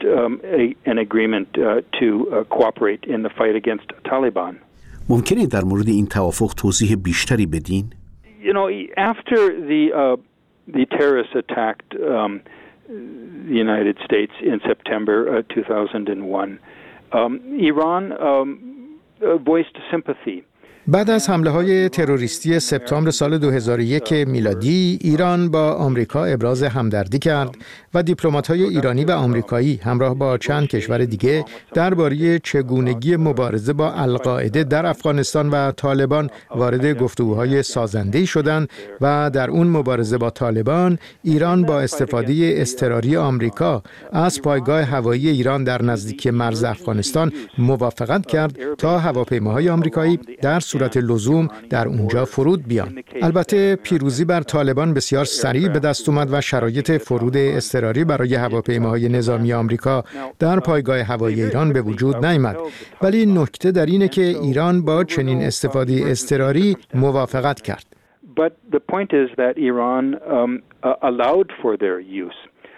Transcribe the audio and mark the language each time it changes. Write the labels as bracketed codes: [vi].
[en] had reached an agreement to cooperate in the fight against Taliban. [fa] ممکنه در مورد این توافق توضیح بیشتری بدین؟ [en] You know, after the terrorists attacked the United States in September 2001, Iran voiced sympathy. [fa] بعد از حمله‌های تروریستی سپتامبر سال 2001 میلادی، ایران با آمریکا ابراز همدردی کرد و دیپلمات‌های ایرانی و آمریکایی همراه با چند کشور دیگر درباره چگونگی مبارزه با القاعده در افغانستان و طالبان وارد گفتگوهای سازنده‌ای شدند و در اون مبارزه با طالبان، ایران با استفاده اضطراری آمریکا از پایگاه هوایی ایران در نزدیکی مرز افغانستان موافقت کرد تا هواپیماهای آمریکایی در صورت لزوم در اونجا فرود بیان. البته پیروزی بر طالبان بسیار سریع به دست اومد و شرایط فرود اضطراری برای هواپیماهای نظامی آمریکا در پایگاه هوایی ایران به وجود نیامد. ولی نکته در اینه که ایران با چنین استفاده اضطراری موافقت کرد. [en] But the point is that Iran allowed for their use.